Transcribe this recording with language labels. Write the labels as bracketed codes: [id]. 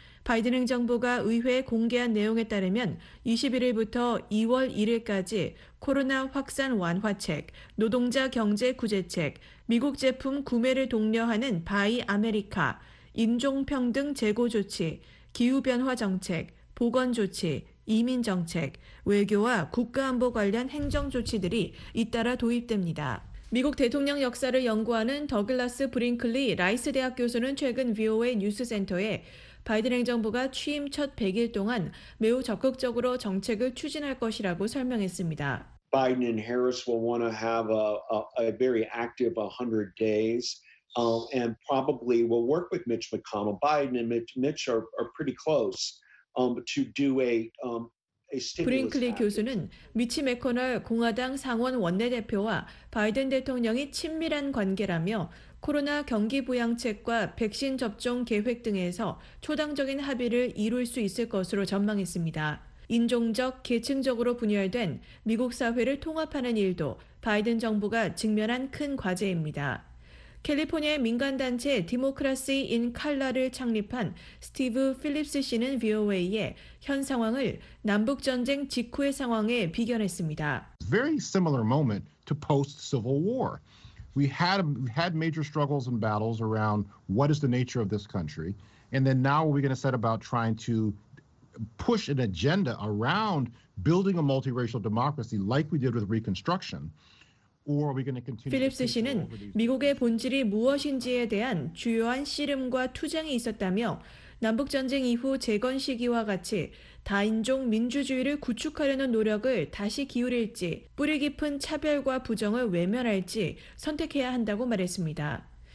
[ko] 바이든 행정부가 의회에 공개한 내용에 따르면 21일부터 2월 1일까지 코로나 확산 완화책, 노동자 경제 구제책, 미국 제품 구매를 독려하는 바이 아메리카, 인종평등 재고 조치, 기후변화 정책, 보건 조치, 이민 정책, 외교와 국가안보 관련 행정 조치들이 잇따라 도입됩니다. 미국 대통령 역사를 연구하는 더글라스 브링클리 라이스 대학 교수는 최근 VOA 뉴스센터에 바이든 행정부가 취임 첫 100일 동안 매우 적극적으로 정책을 추진할 것이라고 설명했습니다. [en] Biden and Harris will want to have a very active 100 days and probably will work with Mitch McConnell. Biden and Mitch are pretty close to do a stimulus. [ko] 브링클리 교수는 미치 맥코널 공화당 상원 원내대표와 바이든 대통령이 친밀한 관계라며 코로나 경기 부양책과 백신 접종 계획 등에서 초당적인 합의를 이룰 수 있을 것으로 전망했습니다. 인종적, 계층적으로 분열된 미국 사회를 통합하는 일도 바이든 정부가 직면한 큰 과제입니다. 캘리포니아의 민간단체 디모크라시 인 칼라를 창립한 스티브 필립스 씨는 VOA에 현 상황을 남북전쟁 직후의 상황에 비견했습니다. [en] Very similar moment to post-Civil War. We had major struggles and battles around what is the nature of this country, and then now we're going to set about trying to push an agenda around building a multiracial democracy like we did with Reconstruction, or are we going to continue? [ko] 필립스 씨는 미국의 본질이 무엇인지에 대한 주요한 씨름과 투쟁이 있었다며 남북 전쟁 이후 재건 시기와 같이 다인종 민주주의를 구축하려는 노력을 다시 기울일지 뿌리 깊은 차별과 부정을 외면할지 선택해야 한다고 말했습니다.